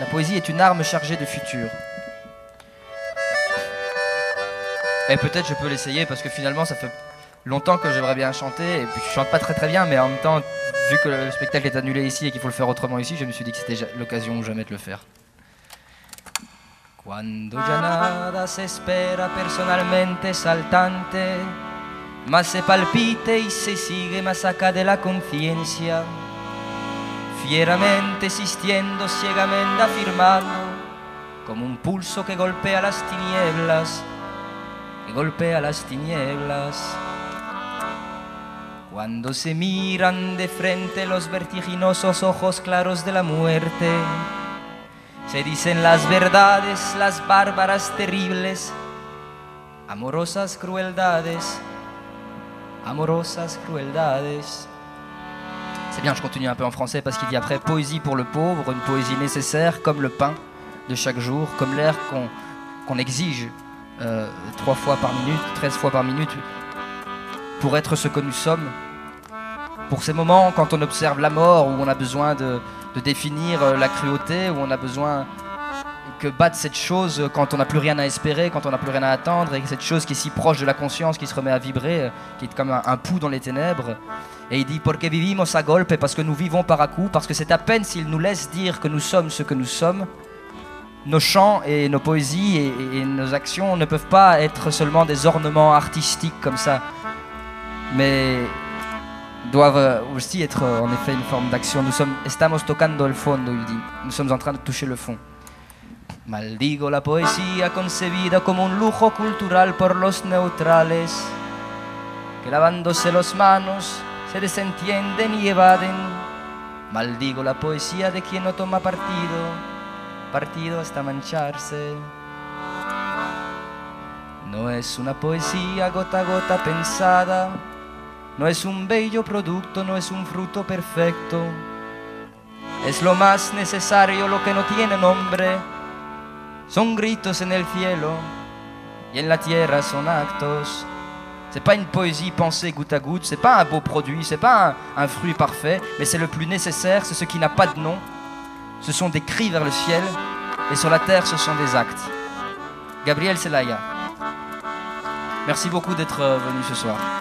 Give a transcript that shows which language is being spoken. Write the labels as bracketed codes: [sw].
[fr] La poésie est une arme chargée de futur. Et peut-être je peux l'essayer parce que finalement ça fait longtemps que j'aimerais bien chanter. Et puis je chante pas très très bien, mais en même temps, vu que le spectacle est annulé ici et qu'il faut le faire autrement ici, je me suis dit que c'était l'occasion où jamais de le faire. [es] Cuando ya nada se espera personalmente saltante, más se palpite y se sigue más acá de la conciencia, fieramente existiendo, ciegamente afirmando, como un pulso que golpea las tinieblas, que golpea las tinieblas. Cuando se miran de frente los vertiginosos ojos claros de la muerte, se dicen las verdades, las bárbaras terribles, amorosas crueldades, amorosas crueldades. [fr] C'est bien, je continue un peu en français parce qu'il y a après poésie pour le pauvre, une poésie nécessaire comme le pain de chaque jour, comme l'air qu'on exige 3 fois par minute, 13 fois par minute pour être ce que nous sommes. Pour ces moments quand on observe la mort, où on a besoin de définir la cruauté, où on a besoin que batte cette chose quand on n'a plus rien à espérer, quand on n'a plus rien à attendre, et cette chose qui est si proche de la conscience, qui se remet à vibrer, qui est comme un pouls dans les ténèbres. Et il dit « [es] Porque vivimos a golpe [fr] », parce que nous vivons par à coup, parce que c'est à peine s'il nous laisse dire que nous sommes ce que nous sommes, nos chants et nos poésies et nos actions ne peuvent pas être seulement des ornements artistiques comme ça, mais doivent aussi être en effet une forme d'action. Nous sommes [es] estamos tocando el fondo, [fr] il dit. Nous sommes en train de toucher le fond. [es] Maldigo la poesía concebida como un lujo cultural por los neutrales, que lavándose las manos se desentienden y evaden. Maldigo la poesía de quien no toma partido, partido hasta mancharse. No es una poesía gota a gota pensada. No es un bello producto, no es un fruto perfecto. Es lo más necesario, lo que no tiene nombre. Son gritos en el cielo y en la tierra son actos. [fr] C'est pas une poésie pensée goutte à goutte, c'est pas un beau produit, c'est pas un fruit parfait, mais c'est le plus nécessaire, c'est ce qui n'a pas de nom. Ce sont des cris vers le ciel et sur la terre ce sont des actes. Gabriel Celaya, merci beaucoup d'être venu ce soir.